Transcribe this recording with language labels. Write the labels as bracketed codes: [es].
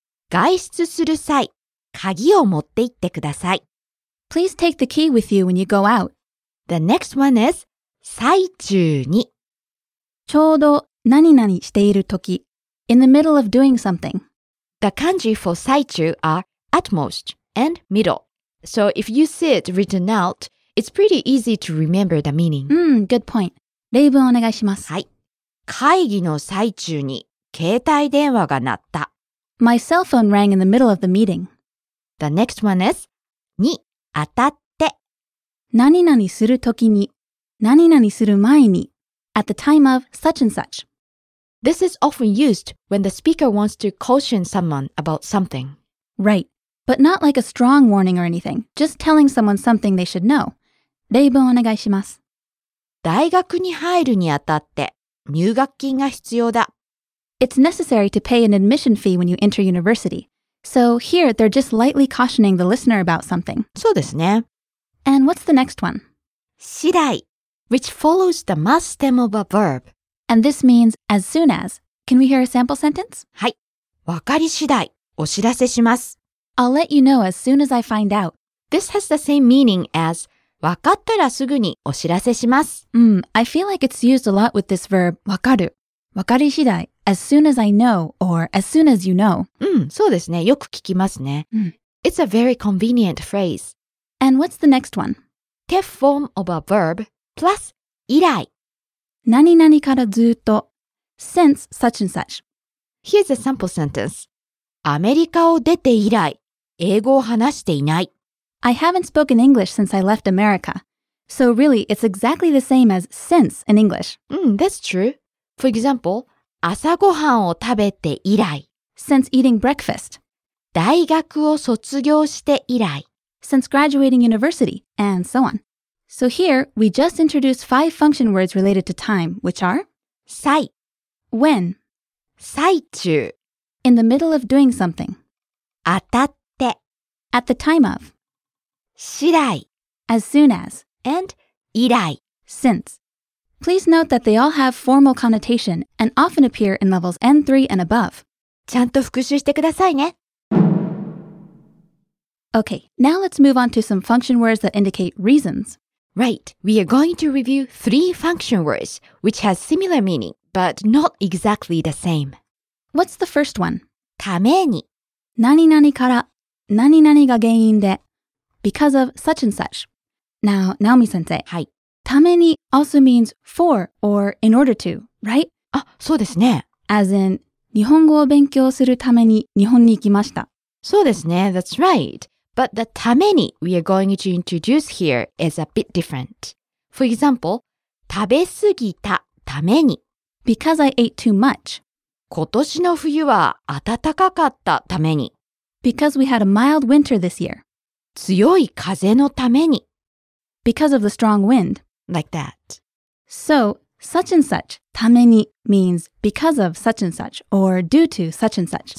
[ja] 外出する際、鍵を持って行ってください。 [en] Please take the key with you when you go out. The next one is 最中に。 [ja] ちょうど何々しているとき。 [en] In the middle of doing something. The kanji for 最中 are at most and middle. So if you see it written out, it's pretty easy to remember the meaning. Good point. [ja] 例文お願いします。はい。会議の最中に携帯電話が鳴った。 [en] My cell phone rang in the middle of the meeting. The next one is に当たって。 [ja] 何々するときに、何々する前に、 [en] at the time of such and such. This is often used when the speaker wants to caution someone about something. Right, but not like a strong warning or anything, just telling someone something they should know. [ja] 例文お願いします。大学に入るにあたって入学金が必要だ。 [en] It's necessary to pay an admission fee when you enter university. So here, they're just lightly cautioning the listener about something. [ja] そうですね。 [en] And what's the next one? 次第, which follows the must stem of a verb. And this means as soon as. Can we hear a sample sentence? [ja] はい。わかり次第、お知らせします。 [en] I'll let you know as soon as I find out. This has the same meaning as... [ja] わかったらすぐにお知らせします。 [en] I feel like it's used a lot with this verb, わかる。わかり次第、as soon as I know, or as soon as you know. [ja] そうですね。よく聞きますね。 [en] It's a very convenient phrase. And what's the next one? The form of a verb, plus 以来。 [ja] 何々からずっと、 [en] since such and such. Here's a sample sentence. [ja] アメリカを出て以来、英語を話していない。 [en] I haven't spoken English since I left America. So really, it's exactly the same as since in English. That's true. For example, [ja] 朝ごはんを食べて以来。 [en] Since eating breakfast. [ja] 大学を卒業して以来。 [en] Since graduating university, and so on. So here, we just introduced five function words related to time, which are? [ja] 最。 [en] When. [ja] 最中。 [en] In the middle of doing something. [ja] 当たって。 [en] At the time of. [ja] 次第 [en] as soon as, and 以来 since. Please note that they all have formal connotation and often appear in levels N3 and above. [ja] ちゃんと復習してくださいね。 [en] Okay, now let's move on to some function words that indicate reasons. Right, we are going to review three function words, which has similar meaning, but not exactly the same. What's the first one? [ja] ために何々から何々が原因で [en] Because of such and such. Now, Naomi-sensei. [ja] はい。 [en] ために also means for or in order to, right? [ja] あ、そうですね。 [en] As in, [ja] 日本語を勉強するために日本に行きました。そうですね。 [en] That's right. But the ために we are going to introduce here is a bit different. For example, [ja] 食べ過ぎたために。 [en] Because I ate too much. [ja] 今年の冬は暖かかったために。 [en] Because we had a mild winter this year. [ja] 強い風のために。 [en] Because of the strong wind. Like that. So, such and such, ために means because of such and such or due to such and such.